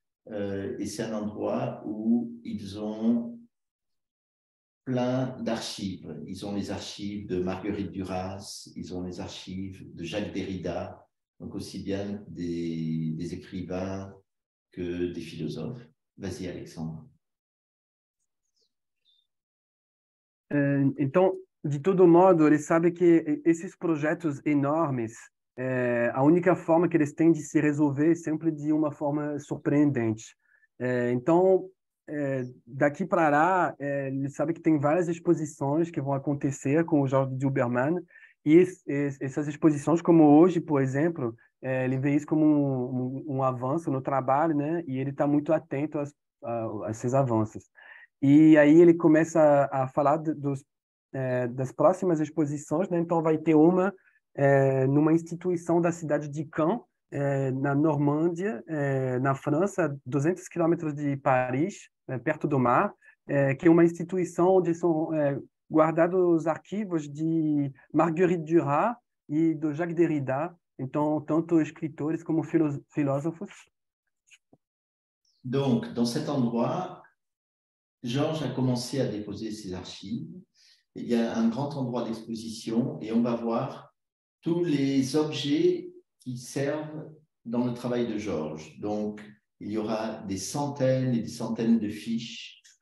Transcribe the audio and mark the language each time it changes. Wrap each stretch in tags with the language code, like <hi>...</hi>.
<fr>Et c'est un endroit où ils ont plein d'archives. Ils ont les archives de Marguerite Duras, ils ont les archives de Jacques Derrida, donc aussi bien des écrivains que des philosophes. Vas-y, Alexandre.</fr> <pt>Então, de todo modo, ele sabe que esses projetos enormes, a única forma que eles têm de se resolver é sempre de uma forma surpreendente. Então, daqui para lá, ele sabe que tem várias exposições que vão acontecer com o Jorge de Uberman, e essas exposições, como hoje, por exemplo, ele vê isso como um avanço no trabalho, né? E ele está muito atento a esses avanços. E aí ele começa a falar das próximas exposições, né? Então vai ter uma numa instituição da cidade de Caen, na Normândia, na França, 200 quilômetros de Paris, perto do mar, que é uma instituição onde são guardados os arquivos de Marguerite Duras e do Jacques Derrida, então tanto escritores como filósofos.</pt> <fr>Donc, dans cet endroit, Georges a commencé à déposer ses archives. Il y a un grand endroit d'exposition et on va voir tous les objets qui servent dans le travail de Georges. Donc, il y aura des centaines et des centaines de fiches</fr>